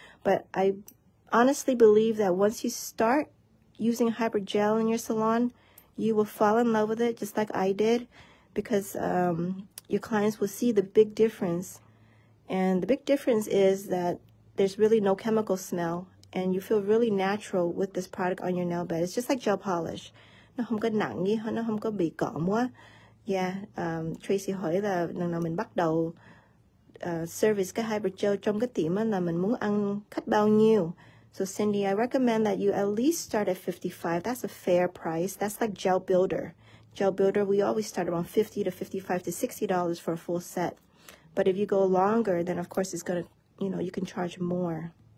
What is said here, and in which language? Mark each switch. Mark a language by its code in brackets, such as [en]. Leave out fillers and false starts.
[en] But I honestly believe that once you start using hybrid gel in your salon, you will fall in love with it just like I did, because your clients will see the big difference. And the big difference is that there's really no chemical smell and you feel really natural with this product on your nail bed. It's just like gel polish. [vi] Nó không có nặng gì, nó không có bị cọ quá. Yeah, Tracy hỏi là lần nào mình bắt đầu service cái hybrid gel trong cái tiệm là mình muốn ăn khách bao nhiêu. [en] So Cindy, I recommend that you at least start at $55. That's a fair price. That's like gel builder. Gel builder, we always start around $50 to $55 to $60 for a full set. But if you go longer, then of course it's gonna, you know, you can charge more.